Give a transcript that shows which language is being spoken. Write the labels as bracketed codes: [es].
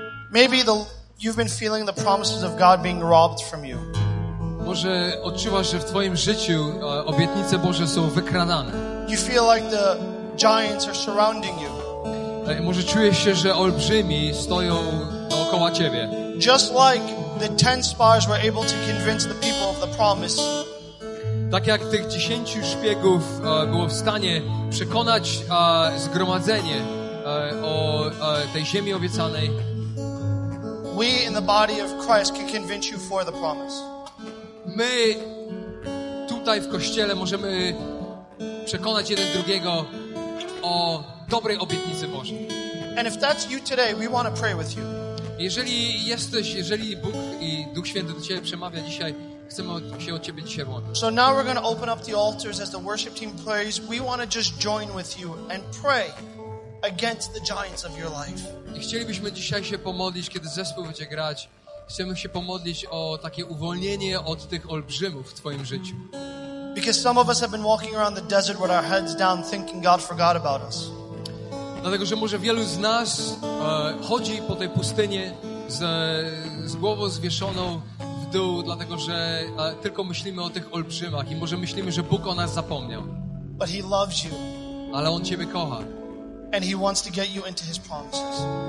[en] maybe you've been feeling the promises of God being robbed from you. [pl] Może odczuwasz, że w twoim życiu obietnice Boże są wykradane. [en] You feel like the giants are surrounding you. [pl] Może czujesz się, że olbrzymi stoją dookoła ciebie. [en] Just like the 10 spies were able to convince the people of the promise. [pl] Tak jak tych 10 szpiegów było w stanie przekonać zgromadzenie o tej ziemi obiecanej. [en] We in the body of Christ can convince you for the promise. [pl] My tutaj w kościele możemy przekonać jeden drugiego o dobrej obietnicy Bożej. [en] And if that's you today, we want to pray with you. [pl] Jeżeli jesteś, jeżeli Bóg i Duch Święty do ciebie przemawia dzisiaj, chcemy się o ciebie dzisiaj modlić. [en] So now we're going to open up the altars as the worship team prays. We want to just join with you and pray against the giants of your life. [pl] I chcielibyśmy dzisiaj się pomodlić, kiedy zespół będzie grać. Chcemy się pomodlić o takie uwolnienie od tych olbrzymów w twoim życiu. [en] Because some of us have been walking around the desert with our heads down thinking God forgot about us. [pl] Dlatego, że może wielu z nas chodzi po tej pustyni z głową zwieszoną w dół, dlatego, że tylko myślimy o tych olbrzymach i może myślimy, że Bóg o nas zapomniał. [en] But he loves you. [pl] Ale On ciebie kocha. [en] And he wants to get you into his promises.